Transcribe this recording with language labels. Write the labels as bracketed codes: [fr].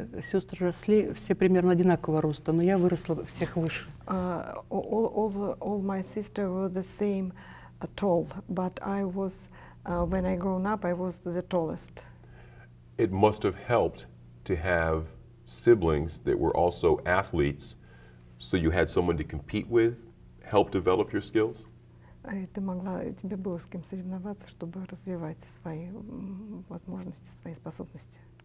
[ru] Сестры росли все примерно одинакового роста, но я выросла всех выше. [en] All my sisters were the same tall, but I was when I grown up I was the tallest. It must have helped to have siblings that were also athletes, so you had someone to compete with, help develop your skills. [ru] Ты могла, тебе было с кем соревноваться, чтобы развивать свои возможности, свои способности.